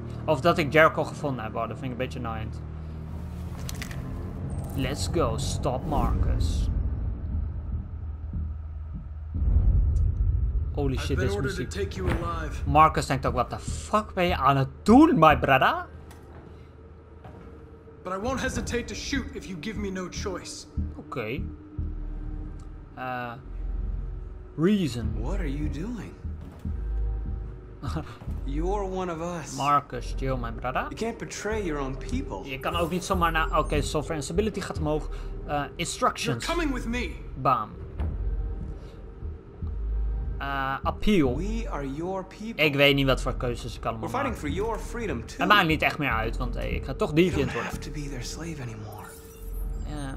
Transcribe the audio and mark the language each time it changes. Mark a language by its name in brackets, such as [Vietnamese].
[Dutch] Of dat ik Jericho gevonden heb. Wow, dat vind ik een beetje annoying. [English] Let's go, stop Marcus. Holy shit, this music. [Dutch] Marcus denkt ook, [English] what the fuck [Dutch] ben je aan het doen, [English] my brother? But I won't hesitate to shoot if you give me no choice. Okay. Reason. What are you doing? You're one of us. Marcus, chill, my brother. You can't betray your own people. [Dutch] Je kan ook niet zomaar naar... Okay, software instability gaat omhoog. Instructions. [English] You're coming with me. Bam. Appeal. We are your people. [Dutch] Ik weet niet wat voor keuzes ik allemaal maak. [English] For your freedom too. [Dutch] Het maakt niet echt meer uit, want hey, ik ga toch deviant worden. [English] You don't have to be their slave anymore.